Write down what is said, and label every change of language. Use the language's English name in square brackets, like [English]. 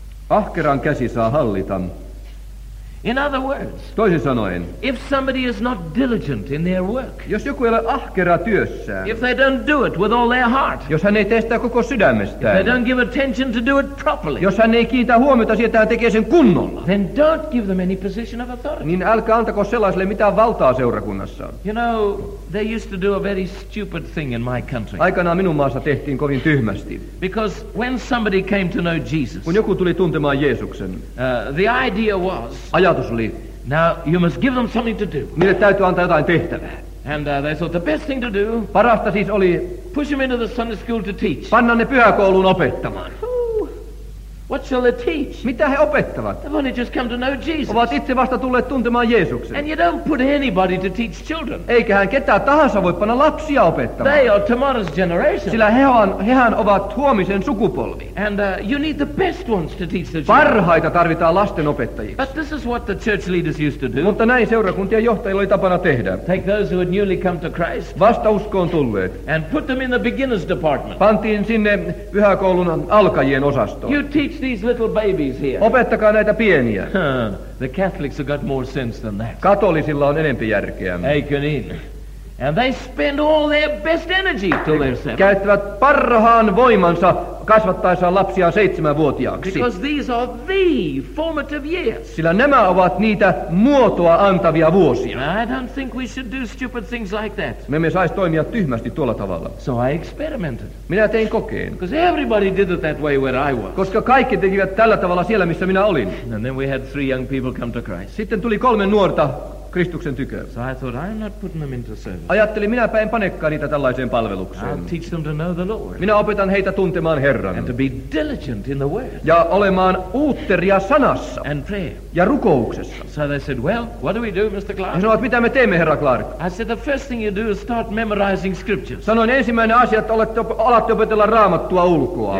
[Finnish] Ahkeran käsi saa hallita. [English] In other words, [Finnish] toisin sanoen, [English] if somebody is not diligent in their work, [Finnish] jos joku ei ole ahkera työssään, [English] if they don't do it with all their heart, [Finnish] jos hän ei tee sitä koko sydämestään, [English] if they don't give attention to do it properly, [Finnish] jos hän ei kiinnitä huomiota siihen, että hän tekee sen kunnolla, [English] then don't give them any position of authority. [Finnish] Niin älkää antako sellaiselle mitään valtaa seurakunnassa. [English] You know, they used to do a very stupid thing in my country. [Finnish] Aikanaan minun maassa tehtiin kovin tyhmästi. [English] Because when somebody came to know Jesus, [Finnish] kun joku tuli tuntemaan Jeesuksen, [English] the idea was, now you must give them something to do. [Finnish] Niille täytyy antaa jotain tehtävää. [English] And they thought the best thing to do. [Finnish] Parasta siis oli [English] push them into the Sunday school to teach. [Finnish] Panna ne pyhäkouluun opettamaan. [English] What shall they teach? [Finnish] Mitä he opettavat? [English] They've only just come to know Jesus. [Finnish] Ovat itse vasta tulleet tuntemaan Jeesuksen. [English] And you don't put anybody to teach children. [Finnish] Eiköhän ketään tahansa voi panna lapsia opettamaan. [English] They are tomorrow's generation. [Finnish] Sillä hehän ovat huomisen sukupolvi. [English] And you need the best ones to teach the children. [Finnish] Parhaita tarvitaan lasten opettajiksi. [English] But this is what the church leaders used to do. [Finnish] Mutta näin seurakuntien johtajilla oli tapana tehdä. [English] Take those who had newly come to Christ. [Finnish] Vasta uskoon tulleet. [English] And put them in the beginners department. [Finnish] Pantiin sinne pyhäkoulun alkajien osastoon. [English] You teach these little babies here. [Finnish] Opettakaa näitä pieniä. [English] The Catholics have got more sense than that. [Finnish] Katolisilla on enempi järkeä. Eikö niin? [English] And they spend all their best energy till they're seven. [Finnish] Käyttävät parhaan voimansa kasvattaessaan lapsia 7-vuotiaaksi. [English] Because these are the formative years. [Finnish] Sillä nämä ovat niitä muotoa antavia vuosia. [English] I don't think we should do stupid things like that. [Finnish] Me emme saisi toimia tyhmästi tuolla tavalla. [English] So I experimented. [Finnish] Minä tein kokeen. [English] Because everybody did it that way where I was. [Finnish] Koska kaikki tekivät tällä tavalla siellä, missä minä olin. [English] And then we had three young people come to Christ. [Finnish] Sitten tuli 3 nuorta Kristuksen tykö. [English] So I thought, I'm not putting them into service. [Finnish] Ajattelin, minäpä en panekaan niitä tällaiseen palvelukseen. [English] I'll teach them to know the Lord. [Finnish] Minä opetan heitä tuntemaan Herran. [English] And to be diligent in the word. [Finnish] Ja olemaan uutteria sanassa. [English] And prayer. [Finnish] Ja rukouksessa. [English] So they said, well, what do we do, Mr. Clark? [Finnish] He sanoivat, mitä me teemme, Herra Clark? [English] I said, the first thing you do is start memorizing scriptures. [Finnish] Sanoin, ensimmäinen asia, että alatte opetella Raamattua ulkoa.